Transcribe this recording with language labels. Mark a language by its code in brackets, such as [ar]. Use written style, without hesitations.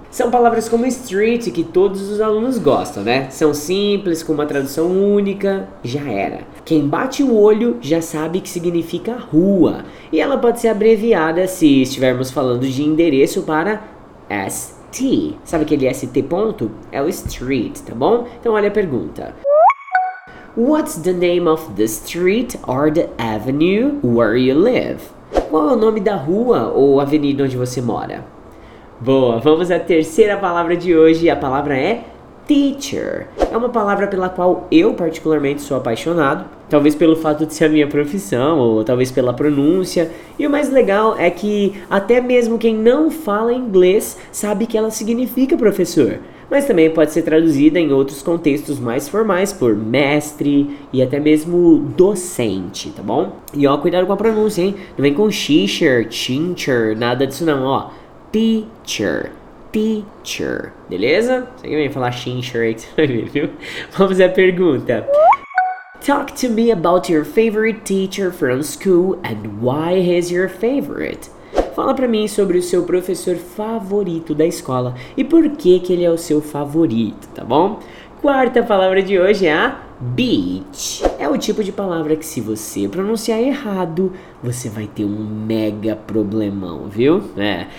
[pt] São palavras como street que todos os alunos gostam, né? São simples, com uma tradução única, já era. Quem bate o olho já sabe que significa rua. E ela pode ser abreviada se estivermos falando de endereço para ST. Sabe aquele ST ponto? É o street, tá bom? Então olha a pergunta. [en] What's the name of the street or the avenue where you live? [pt] Qual é o nome da rua ou avenida onde você mora? Boa, vamos à terceira palavra de hoje. A palavra é teacher. É uma palavra pela qual eu particularmente sou apaixonado. Talvez pelo fato de ser a minha profissão ou talvez pela pronúncia. E o mais legal é que até mesmo quem não fala inglês sabe que ela significa professor. Mas também pode ser traduzida em outros contextos mais formais por mestre e até mesmo docente, tá bom? E ó, cuidado com a pronúncia, hein? Não vem com teacher, teacher, nada disso não, ó. Teacher, teacher, beleza? Você que vem falar teacher aí, viu? Vamos à pergunta. [en] Talk to me about your favorite teacher from school and why he's your favorite. [pt] Fala pra mim sobre o seu professor favorito da escola e por que que ele é o seu favorito, tá bom? Quarta palavra de hoje é a beach. É o tipo de palavra que, se você pronunciar errado, você vai ter um mega problemão, viu? É.